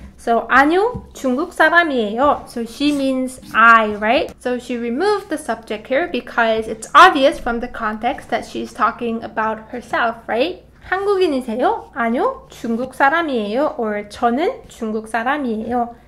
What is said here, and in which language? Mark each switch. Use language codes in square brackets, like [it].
[ko] So 아니요, 중국 사람이에요. [en] So she means I, right? So she removed the subject here because it's obvious from the context that she's talking about herself, right? [ko] 한국인이세요? 아니요, 중국 사람이에요. Or 저는 중국 사람이에요.